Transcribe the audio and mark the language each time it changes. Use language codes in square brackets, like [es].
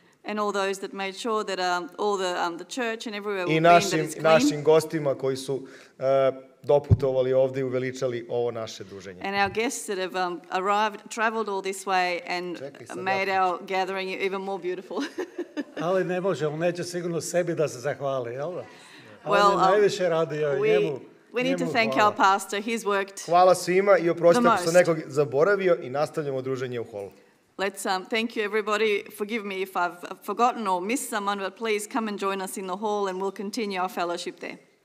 [en] And all those that made sure that all the church and everywhere will be that it's clean. [sr] I našim gostima koji su doputovali ovdje i uveličali ovo naše druženje. [en] And our guests that have arrived, traveled all this way and made our gathering even more beautiful. [sr] Ali ne može, on neće sigurno sebi da se zahvali, jel da? Well, on je najviše radio njemu. [en] We need to thank our pastor. He's worked. [sr] Hvala svima i oprostite ako sam nekog zaboravio i nastavljamo druženje u holu. [en] Let's thank you everybody. Forgive me if I've forgotten or missed someone, but please come and join us in the hall and we'll continue our fellowship there.